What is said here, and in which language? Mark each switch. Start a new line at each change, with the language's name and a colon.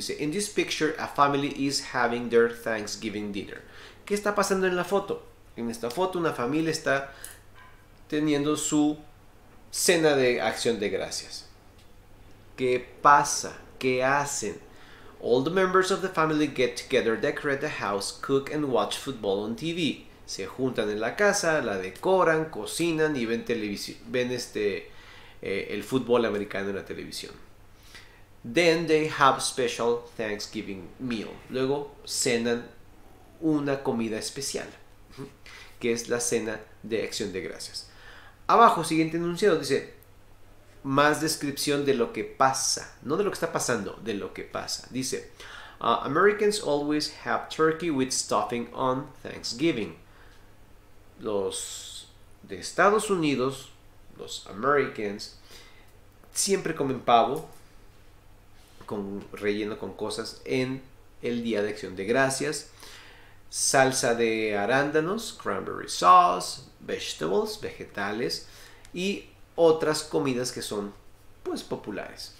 Spanish: Dice,
English: in this picture, a family is having their Thanksgiving dinner.
Spanish: ¿Qué está pasando en la foto? En esta foto, una familia está teniendo su cena de acción de gracias. ¿Qué pasa? ¿Qué hacen?
English: All the members of the family get together, decorate the house, cook and watch football on TV.
Spanish: Se juntan en la casa, la decoran, cocinan y ven televisión, ven el fútbol americano en la televisión.
English: Then they have special Thanksgiving meal.
Spanish: Luego cenan una comida especial, que es la cena de acción de gracias. Abajo, siguiente enunciado, dice, más descripción de lo que pasa. No de lo que está pasando, de lo que pasa. Dice,
English: Americans always have turkey with stuffing on Thanksgiving.
Spanish: Los de Estados Unidos, los Americans, siempre comen pavo con relleno con cosas en el día de acción de gracias. Salsa de arándanos, cranberry sauce, vegetales y otras comidas que son pues populares.